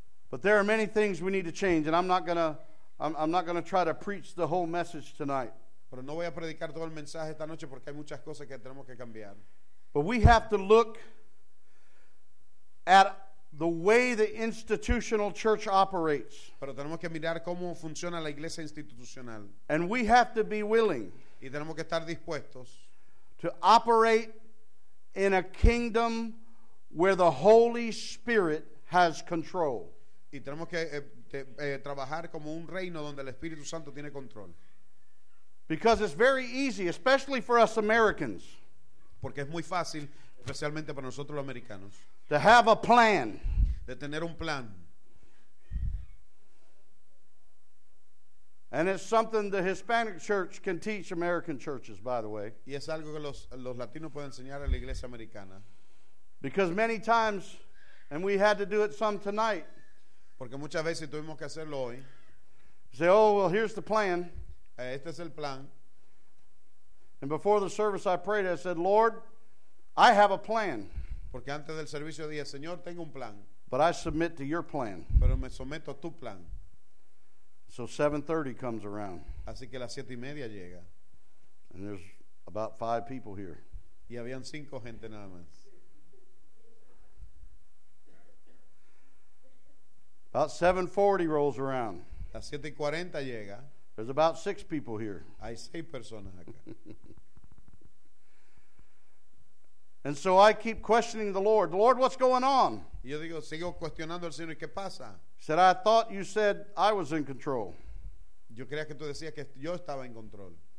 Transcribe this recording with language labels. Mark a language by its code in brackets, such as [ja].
[en] But there are many things we need to change, and I'm not gonna try to preach the whole message tonight. [es] Pero no voy a predicar todo el mensaje esta noche porque hay muchas cosas que tenemos que cambiar. [en] But we have to look at the way the institutional church operates. [es] Pero tenemos que mirar cómo funciona la iglesia institucional. [en] And we have to be willing. [es] Y tenemos que estar dispuestos. [en] To operate in a kingdom where the Holy Spirit has control. [es] Y tenemos que trabajar como un reino donde el Espíritu Santo tiene control. [en] Because it's very easy, especially for us Americans. [es] Porque es muy fácil, especialmente para nosotros los americanos. [en] To have a plan. [es] De tener un plan. [en] And it's something the Hispanic church can teach American churches, by the way. [es] Y es algo que los latinos pueden enseñar a la iglesia americana. [en] Because many times, and we had to do it some tonight. [es] Porque muchas veces tuvimos que hacerlo hoy. [en] Say, oh, well, here's the plan. [es] Este es el plan. [en] And before the service I prayed, I said, Lord, I have a plan. [es] Porque antes del servicio dije, Señor, tengo un plan. [en] But I submit to your plan. [es] Pero me someto a tu plan. [en] So 7:30 comes around. [es] Así que las 7:30 llega. [en] And there's about five people here. [es] Y habían cinco gente nada más. [en] About 7:40 rolls around. [es] Las 7:40 llega. [en] There's about six people here. [es] Hay seis personas acá. [en] And so I keep questioning the Lord. Lord, what's going on? [es] Yo digo, sigo cuestionando al Señor, ¿qué pasa? [en] Said, I thought you said I was in control. [es] Yo creía que tú decías que yo estaba en control.